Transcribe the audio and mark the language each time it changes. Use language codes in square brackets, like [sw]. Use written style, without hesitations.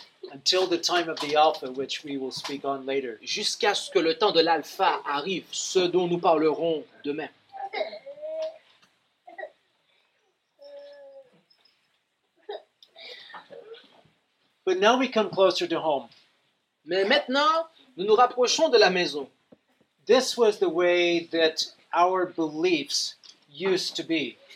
[en] Until the time of the Alpha, which we will speak on later. [fr] Jusqu'à ce que le temps de l'Alpha arrive, ce dont nous parlerons demain. [en] But now we come closer to home. [fr] Mais maintenant, nous nous rapprochons de la maison. [en] This was the way that our beliefs used to be.